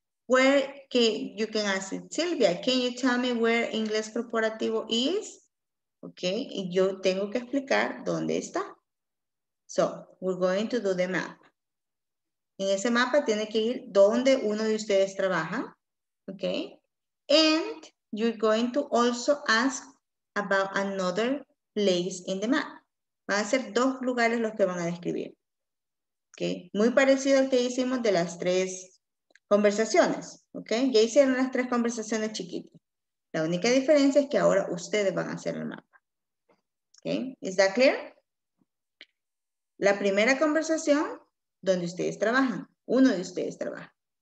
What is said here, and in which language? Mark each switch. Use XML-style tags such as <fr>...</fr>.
<en>You can ask it, Silvia, can you tell me where Inglés Corporativo is? Okay,</en> <es>y yo tengo que explicar dónde está.</es> <en>So, we're going to do the map.</en> <es>En ese mapa tiene que ir donde uno de ustedes trabaja.</es> <en>Okay, and you're going to also ask about another place in the map.</en> <es>Van a ser dos lugares los que van a describir. Okay, muy parecido al que hicimos de las tres conversaciones. Okay, ya hicieron las tres conversaciones chiquitas. La única diferencia es que ahora ustedes van a hacer el mapa.</es> <en>Okay, is that clear?</en> <es>La primera conversación donde ustedes trabajan, uno de ustedes trabaja.</es>